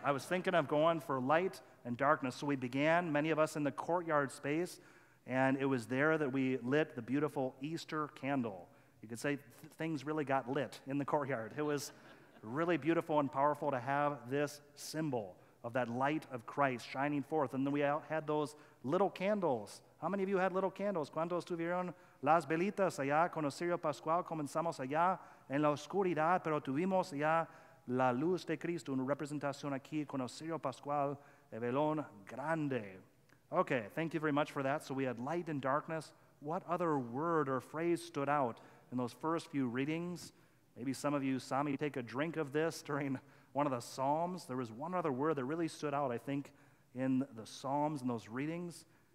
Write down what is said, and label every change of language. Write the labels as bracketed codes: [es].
[en] I was thinking of going for light and darkness. So we began, many of us in the courtyard space, And it was there that we lit the beautiful Easter candle. You could say things really got lit in the courtyard. It was really beautiful and powerful to have this symbol of that light of Christ shining forth. And then we had those little candles. How many of you had little candles? [es] ¿Cuántos tuvieron las velitas allá con el cirio pascual? Comenzamos allá en la oscuridad, pero tuvimos allá la luz de Cristo, una representación aquí con el cirio pascual, el velón grande. [en] Okay, thank you very much for that. So we had light and darkness. What other word or phrase stood out in those first few readings? Maybe some of you saw me take a drink of this during one of the Psalms. There was one other word that really stood out, I think, in the Psalms and those readings.